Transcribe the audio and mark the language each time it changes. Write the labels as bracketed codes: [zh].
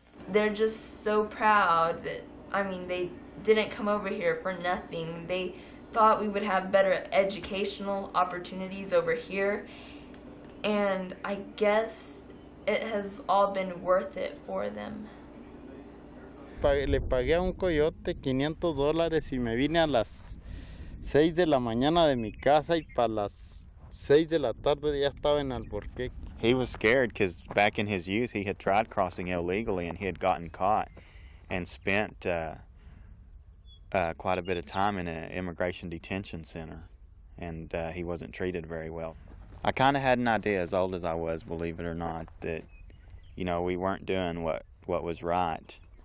[en] They're just so proud that, I mean, they didn't come over here for nothing. They thought we would have better educational opportunities over here. And I guess it has all been worth it for them. [es] Le pagué a un coyote $500 y me vine a las 6 de la mañana de mi casa y para las 6 de la tarde ya estaba en Albuquerque. [en] He was scared because back in his youth, he had tried crossing illegally and he had gotten caught and spent quite a bit of time in an immigration detention center, and he wasn't treated very well. I kind of had an idea, as old as I was, believe it or not, that, you know, we weren't doing what was right.